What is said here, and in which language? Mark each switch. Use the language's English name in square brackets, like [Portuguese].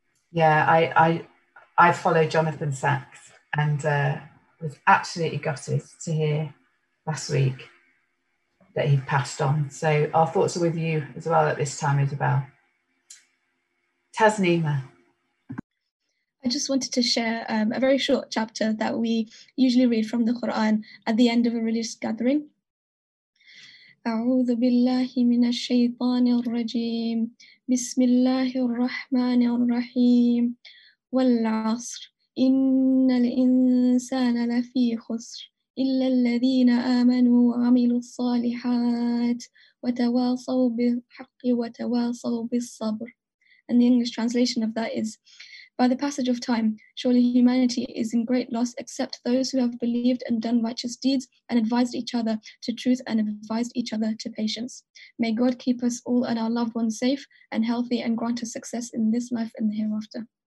[English] Yeah, I follow Jonathan Sacks and was absolutely gutted to hear last week that he'd passed on. So our thoughts are with you as well at this time, Isabel. Tasneema. I just wanted to share a very short chapter that we usually read from the Quran at the end of a religious gathering. [Arabic] أعوذ بالله من الشيطان الرجيم بسم الله الرحمن الرحيم والعصر إن الإنسان لفي خسر إلا الذين آمنوا وعملوا الصالحات وتواصوا بالحق وتواصوا بالصبر. [English] And the English translation of that is, by the passage of time, surely humanity is in great loss except those who have believed and done righteous deeds and advised each other to truth and advised each other to patience. May God keep us all and our loved ones safe and healthy and grant us success in this life and the hereafter.